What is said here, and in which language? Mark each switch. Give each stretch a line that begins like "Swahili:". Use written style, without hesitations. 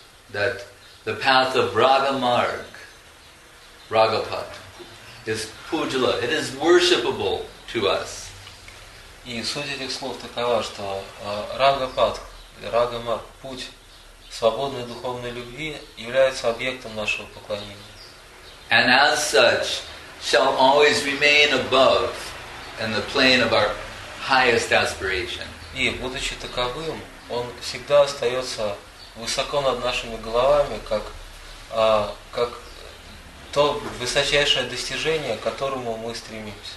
English: That the path of Рагамарг, Рагапат, is Пуджала, it is worshipable to us.
Russian: И суть этих слов такова, что Рагапат, Рагамарг, путь свободной духовной любви является объектом нашего поклонения.
English: And as such, shall always remain above in the plane of our highest aspiration.
Russian: И, будучи таковым, он всегда остается высоко над нашими головами, как то высочайшее достижение, к которому мы стремимся.